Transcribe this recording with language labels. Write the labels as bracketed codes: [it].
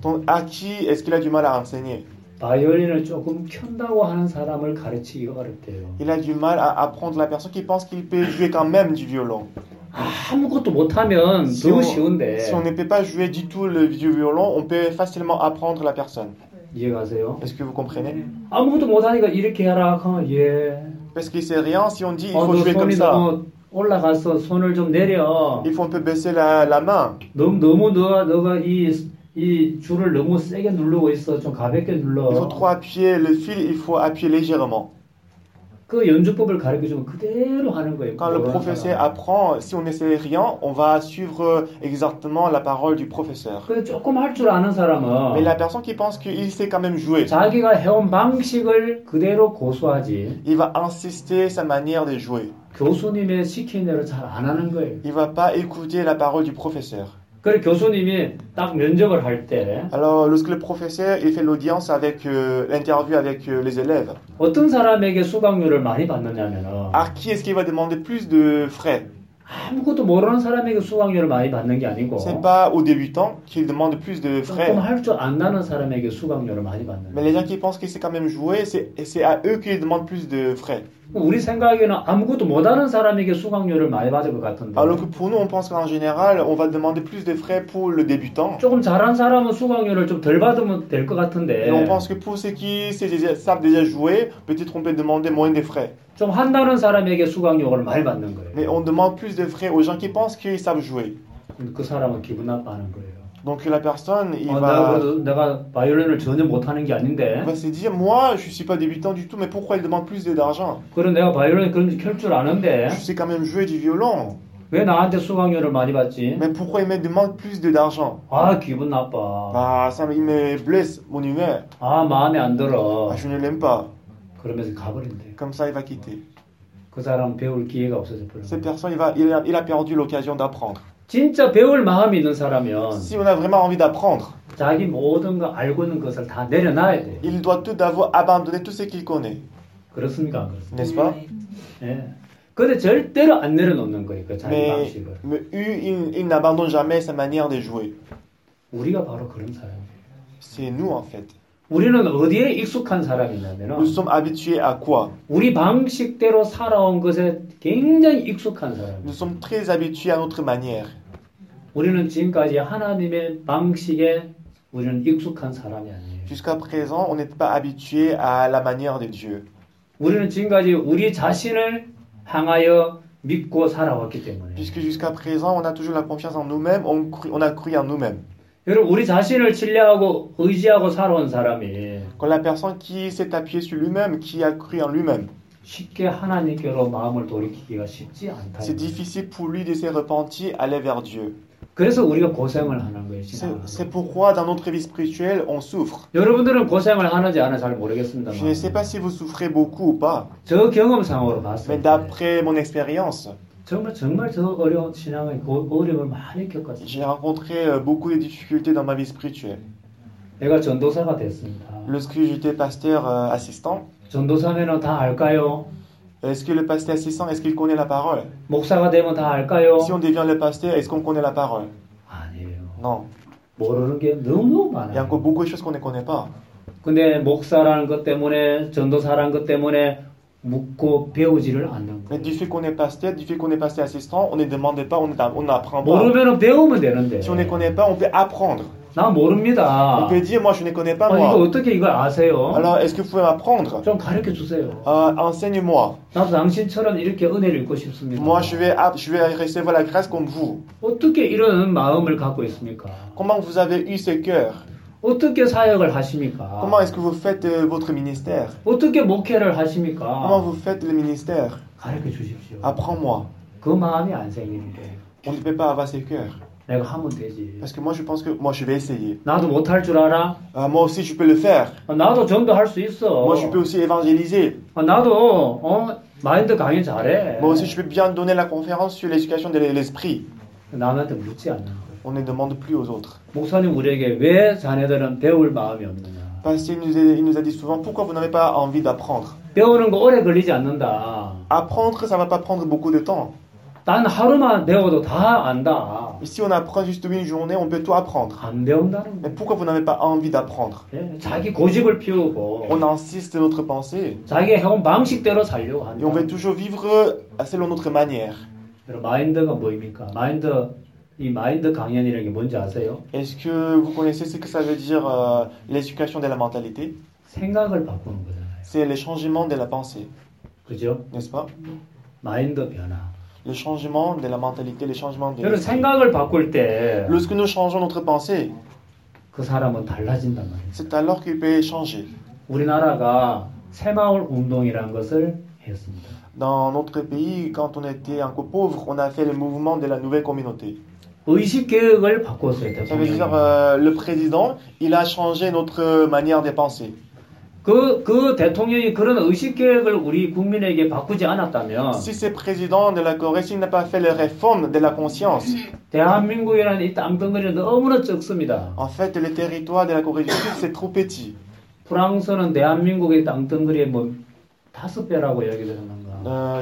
[fr] Donc à qui est-ce qu'il a du mal à enseigner? [ko] 바이올린을 조금 켠다고 하는 사람을 가르치기 어렵대요. [fr] Il a du mal à apprendre la personne qui pense qu'il peut jouer quand même du violon. [ko] 아무것도 못하면 si 너무 쉬운데. [fr] Si on ne peut pas jouer du tout le violon, on peut facilement apprendre la personne. [ko] 이해가세요? [fr] Est-ce que vous comprenez? [ko] 아무것도 못하니까 이렇게 하라. 예. [fr] Parce que c'est rien si on dit il faut jouer comme ça. [ko] 올라가서 손을 좀 내려. [fr] Il faut un peu baisser la main. [ko] 너무 너가 이 줄을 너무 세게 누르고 있어. 좀 가볍게 눌러. [fr] Il faut trop appuyer le fil, il faut appuyer légèrement. [ko] 그 연주법을 가르쳐주면 그대로 하는 거예요. [fr] Quand le professeur apprend, si on ne sait rien, on va suivre exactement la parole du professeur. [ko] 조금 할 줄 아는 사람은 [fr] Mais la personne qui pense qu'il sait quand même jouer. [ko] 자기가 해온 방식을 그대로 고수하지. [fr] Il va insister sa manière de jouer. [ko] 교수님의 시키는 대로 잘 안 하는 거예요. [fr] Il va pas écouter la parole du professeur. [ko] 그래 교수님이 딱 면접을 할 때 [fr] Alors lorsque le professeur il fait l'audience avec l'interview avec les élèves [ko] 어떤 사람에게 수강료를 많이 받느냐면 [fr] À qui est-ce qu'il va demander plus de frais? [ko] 아무것도 모르는 사람에게 수강료를 많이 받는 게 아니고 [fr] C'est pas aux débutants qu'il demande plus de frais. [ko] 조금 할 줄 안다는 사람에게 수강료를 많이 받는 [fr] Mais les gens qui pensent que c'est quand même joué c'est à eux qu'il demande plus de frais. [ko] 우리 생각에는 아무것도 못하는 사람에게 수강료를 많이 받을 것 같은데. [fr] Alors que pour nous, on pense qu'en général, on va demander plus de frais pour le débutant. [ko] 조금 잘한 사람은 수강료를 좀 덜 받으면 될 것 같은데. [fr] Et on pense que pour ceux qui savent déjà jouer, peut-être on peut demander moins de frais. [ko] 좀 한다는 사람에게 수강료를 많이 받는 거예요. [fr] Mais on demande plus de frais aux gens qui pensent qu'ils savent jouer. [ko] 그 사람은 기분 나빠하는 거예요. [fr] Donc la personne, il va. [ko] 내가 바이올린을 전혀 못하는 게 아닌데. [fr] Il va se dire, moi, je suis pas débutant du tout, mais pourquoi il demande plus d'argent? [ko] 그럼 내가 바이올린 그런지 켤 줄 아는데. [fr] Je sais quand même jouer du violon. [ko] 왜 나한테 수강료를 많이 받지? [fr] Mais pourquoi il me demande plus d'argent? [ko] 아 기분 나빠. [fr] Ah, ça me blesse mon humeur. [ko] 아 마음에 안 들어. [fr] Ah, je ne l'aime pas. [ko] 그러면서 가버린대. [fr] Comme ça, il va quitter. [ko] 그 사람 배울 기회가 없어서 그런. [fr] Cette personne, il a perdu l'occasion d'apprendre. [ko] 진짜 배울 마음이 있는 사람이면 [fr] Si on a vraiment envie d'apprendre [ko] 자기 모든 거 알고 있는 것을 다 내려놔야 돼. [fr] Il doit tout d'avoir abandonné tout ce qu'il connaît. [ko] 그렇습니까? 안 그렇습니까? [fr] N'est-ce pas? [ko] 예. 근데 절대로 안 내려놓는 거예요. 그 자기 방식을. [fr] Mais il n'abandonne jamais sa manière de jouer. [ko] 우리가 바로 그런 사람이에요. [fr] C'est nous en fait. [ko] 우리는 어디에 익숙한 사람이냐면 [fr] Nous sommes habitués à quoi? [ko] 우리 방식대로 살아온 것에 굉장히 익숙한 사람. [fr] Nous sommes très habitués à notre manière. [ko] 우리는 지금까지 하나님의 방식에 우리는 익숙한 사람이 아니에요. [fr] Jusqu'à présent, on n'était pas habitué à la manière de Dieu. [ko] 우리는 지금까지 우리 자신을 향하여 믿고 살아왔기 때문에. [fr] Puisque jusqu'à présent, on a toujours la confiance en nous-mêmes, on a cru en nous-mêmes. [ko] 여러분, 우리 자신을 신뢰하고 의지하고 살아온 사람이. [fr] Quand la personne qui s'est appuyé sur lui-même, qui a cru en lui-même. [ko] 쉽게 하나님께로 마음을 돌이키기가 쉽지 않다. [fr] C'est difficile pour lui de se repentir, aller vers Dieu. [ko] 그래서 우리가 고생을 하는 거예요. [fr] C'est pourquoi dans notre vie spirituelle on souffre. [ko] 여러분들은 고생을 하는지 안 하는지 잘 모르겠습니다만. [fr] Je ne sais pas si vous souffrez beaucoup ou pas. [ko] 저 경험상으로 봤어요. [fr] Mais d'après mon expérience. [ko] 정말 저 어려운 신앙의 어려움을 많이 겪었어요. [fr] J'ai rencontré beaucoup de difficultés dans ma vie spirituelle. [ko] 내가 전도사가 됐습니다. [fr] Lorsque j'étais pasteur assistant. [ko] 전도사면은 다 알까요? [fr] Est-ce que le pasteur assistant, est-ce qu'il connaît la parole? [ko] 목사가 되면 다 알까요? [fr] Si on devient le pasteur, est-ce qu'on connaît la parole? [ko] 아니에요. [fr] Non. [ko] 모르는 게 너무 많아요. [fr] Il y a encore beaucoup de choses qu'on ne connaît pas. [ko] 근데 목사라는 것 때문에, 전도사라는 것 때문에 묻고 배우지를 않는 거예요. [fr] Mais du fait qu'on est pasteur, du fait qu'on est pasteur assistant, on ne demande pas, on apprend pas. [ko] 모르면은 배우면 되는데. [fr] Si on ne connaît pas, on peut apprendre. [ko] 나 모릅니다. [fr] On peut dire, moi je ne connais pas moi. [ko] 이거 어떻게 이걸 아세요? [fr] Alors est-ce que vous pouvez m'apprendre? [ko] 좀 가르쳐 주세요. [fr] Enseigne-moi. [ko] 나도 당신처럼 이렇게 은혜를 입고 싶습니다. [fr] Moi je vais recevoir la grâce comme vous. [ko] 어떻게 이런 마음을 갖고 있습니까? [fr] Comment vous avez eu ce cœur? [ko] 어떻게 사역을 하십니까? [fr] Comment est-ce que vous faites votre ministère? [ko] 어떻게 목회를 하십니까? [fr] Comment vous faites le ministère? [ko] 가르쳐 주십시오. [fr] Apprends-moi. [ko] 그 마음이 안 생기는데. [fr] On ne peut pas avoir ce cœur. [ko] 내가 하면 되지. [fr] Parce que moi je pense que moi je vais essayer. [ko] 나도 못할 줄 알아. [fr] Moi aussi je peux le faire. [ko] 나도 전도할 수 있어. [fr] Moi je peux aussi évangéliser. [ko] 나도 마인드 강의 잘해. [fr] Moi aussi je peux bien donner la conférence sur l'éducation de l'esprit. [ko] 나한테 묻지 않는 거야. [fr] On ne demande plus aux autres. [ko] 목사님 우리에게 왜 자네들은 배울 마음이 없느냐? [fr] Parce qu'il nous a dit souvent pourquoi vous n'avez pas envie d'apprendre. [ko] 배우는 거 오래 걸리지 않는다. [fr] Apprendre ça va pas prendre beaucoup de temps. [ko] 난 하루만 배워도 다 안다. [fr] Si on apprend juste une journée, on peut tout apprendre. [ko] 안 배운다는. [fr] Mais pourquoi vous n'avez pas envie d'apprendre? [ko] 자기 고집을 피우고. [fr] On insiste notre pensée. [ko] 자기 해온 방식대로 살려고 한다. [fr] Et on veut toujours vivre selon notre manière. [ko] 여러분, 마인드가 뭐입니까? 마인드 이 마인드 강연이라는 게 뭔지 아세요? [fr] Est-ce que vous connaissez ce que ça veut dire l'éducation de la mentalité? [ko] 생각을 바꾸는 거잖아요. [fr] C'est le changement de la pensée. [ko] 그죠? [fr] N'est-ce pas? [ko] 마인드 변화. [fr] Le changement de la mentalité, le changement de l'esprit. [ko] 여러분 생각을 바꿀 때, [fr] lorsque nous changeons notre pensée, [ko] 그 사람은 달라진단 말이에요. [fr] C'est alors qu'il peut changer. [ko] 우리나라가 새마을 운동이라는 것을 했습니다. [fr] Dans notre pays, quand on était encore pauvre, on a fait le mouvement de la nouvelle communauté. [ko] 의식 계획을 바꿨어요, 대통령. [fr] Ça veut dire, le président, il a changé notre manière de penser. [ko] 그 대통령이 그런 의식 계획을 우리 국민에게 바꾸지 않았다면 [fr] Si ce président de la Corée s'il n'a pas fait les réformes de la conscience [ko] 대한민국이라는 이 땅덩어리는 너무나 적습니다. [fr] En fait, le territoire de la Corée du Sud c'est trop petit. [ko] 프랑스는 대한민국의 땅덩어리에 뭐 다섯 배라고 이야기 되는 건가?